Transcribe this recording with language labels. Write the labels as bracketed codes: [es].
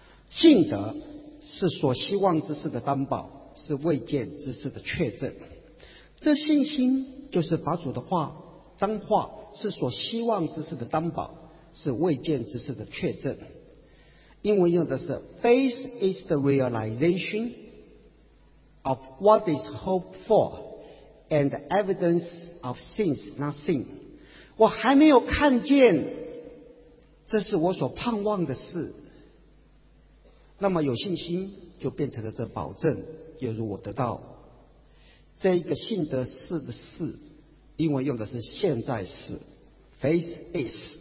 [zh] 信德是所希望之事的担保，是未见之事的确证。这信心就是把主的话当话，是所希望之事的担保，是未见之事的确证。英文用的是 [en] Faith is the realization of what is hoped forAnd evidence of things not seen. [zh] 我还没有看见，这是我所盼望的事。那么有信心就变成了这保证，犹如我得到这一个信德事的事。英文用的是现在事 ， [en] faith is。